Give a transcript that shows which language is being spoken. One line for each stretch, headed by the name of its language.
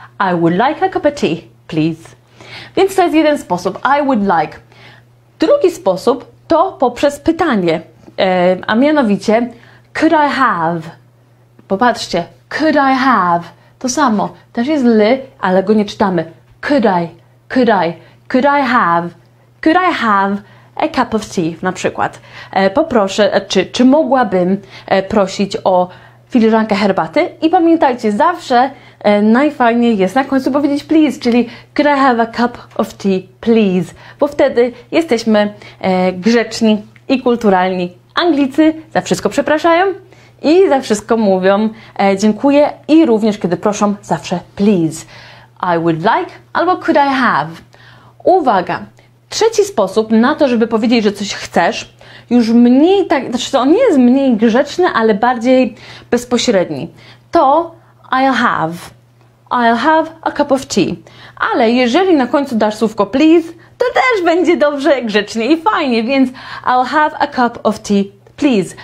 English: I would like a cup of tea, please.
Polish: Więc to jest jeden sposób.
English: I would like.
Polish: Drugi sposób to poprzez pytanie. A mianowicie,
English: could I have?
Polish: Popatrzcie.
English: Could I have?
Polish: To samo. Też jest ly, ale go nie czytamy.
English: Could I? Could I? Could I have? Could I have a cup of tea,
Polish: na przykład. Poproszę, czy mogłabym prosić o filiżankę herbaty? I pamiętajcie, zawsze najfajniej jest na końcu powiedzieć please, czyli
English: could I have a cup of tea, please?
Polish: Bo wtedy jesteśmy grzeczni i kulturalni. Anglicy za wszystko przepraszają i za wszystko mówią dziękuję i również, kiedy proszą, zawsze please.
English: I would like albo could I have?
Polish: Uwaga! Trzeci sposób na to, żeby powiedzieć, że coś chcesz, już mniej tak, znaczy on nie jest mniej grzeczny, ale bardziej bezpośredni.
English: To I'll have a cup of tea.
Polish: Ale jeżeli na końcu dasz słówko please, to też będzie dobrze, grzecznie i fajnie, więc
English: I'll have a cup of tea, please.